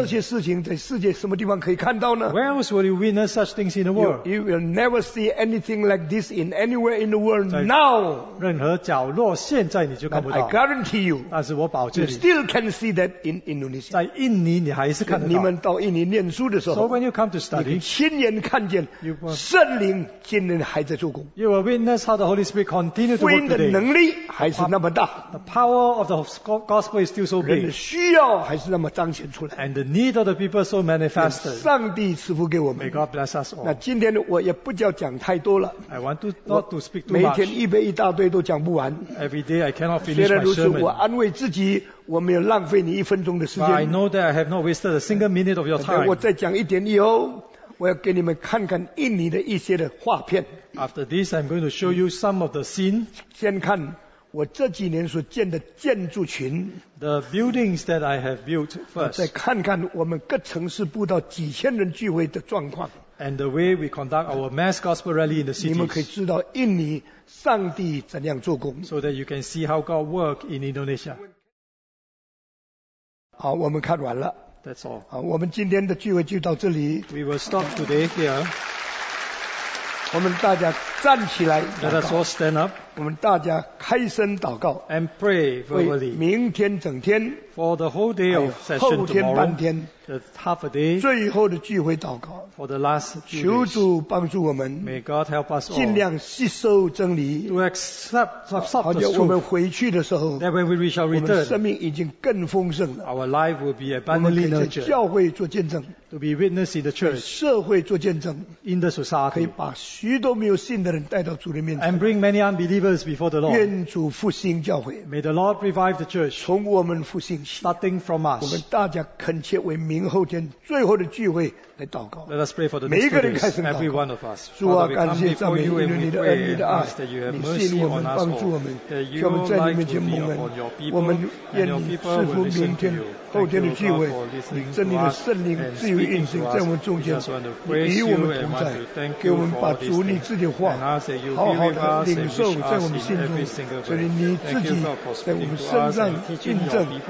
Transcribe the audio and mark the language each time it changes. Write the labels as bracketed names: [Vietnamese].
[Chinese] 这些事情在世界什么地方可以看到呢 [English] ？Where else will you witness such things in the world? You will never see anything like this in anywhere in the world now. [Chinese] 任何角落现在你就看不到。 [English] I guarantee you. [Chinese] 但是我保证你。 [English] You still can see that in Indonesia. [Chinese] 在印尼你还是看得到。你们到印尼念书的时候 [English] ，So when you come to study, [Chinese] 你亲眼看见。圣灵今天还在做工。 [English] You will witness how the Holy Spirit continues to work today. [Chinese] 福音的能力还是那么大。 [English] The power of the gospel is still so big. [Chinese] 人的需要还是那么彰显出来。 [English] And the need of the people so manifest. [Chinese] 上帝赐福给我们。 [English] May God bless us all. [Chinese] 那今天我也不叫讲太多了。 [English] I want to not to speak too much. [Chinese] 每天预备一大堆都讲不完。 [English] Every day I cannot finish my sermon. [Chinese] 虽然如此，我安慰自己。我没有浪费你一分钟的时间。 [English] But I know that I have not wasted a single minute of your time. [Chinese] 我再讲一点以后。我要给你们看看印尼的一些的画片。 [English] After this, I'm going to show you some of the scene. [Chinese] 先看我这几年所建的建筑群。 [English] The buildings that I have built first. [Chinese] 再看看我们各城市布道几千人聚会的状况。 [English] And the way we conduct our mass gospel rally in the cities. [Chinese] 你们可以知道印尼上帝怎样做工。 [English] So that you can see how God works in Indonesia. [Chinese] 好，我们看完了。 [English] That's all. [Chinese] 好，我们今天的聚会就到这里。 [English] We will stop today here. [Chinese] 我们大家站起来。 [English] Let us all stand up. [Chinese] 我们大家开声祷告。 [English] And pray verbally. [Chinese] 明天整天。 [English] For the whole day of session tomorrow. [Chinese] 后天半天。 [English] The half a day. [Chinese] 最后的聚会祷告。 [English] For the last. [Chinese] 求主帮助我们。 [English] May God help us all. [Chinese] 尽量吸收真理。 [English] To accept the truth. [Chinese] 好像我们回去的时候。 [English] That when we shall return. [Chinese] 我们生命已经更丰盛了。 [English] Our life will be abundantly nurtured. [Chinese] 我们可以在教会做见证。 [English] To be witness in the church. [Chinese] 在社会做见证。 [English] In the society. [Chinese] 可以把许多没有信的人带到主的面前。 [English] And bring many unbelievers before the Lord. [Chinese] 愿主复兴教会。 [English] May the Lord revive the church. [Chinese] 从我们复兴。 [English] Starting from us. [Chinese] 我们大家恳切为明后天最后的聚会来祷告。 [English] Let us pray for the [Chinese] 每一个人开始祷告。 [English] Every one of us. [Chinese] 主啊，感谢赞美因为你的恩，你的爱，你信我们，帮助我们，叫我们在你面前蒙恩。我们愿赐福明天、后天的聚会，以真理的圣灵自由运行在我们中间，与我们同在，给我们把主你自己的话好好的领受在我们心中，所以你自己在我们身上印证。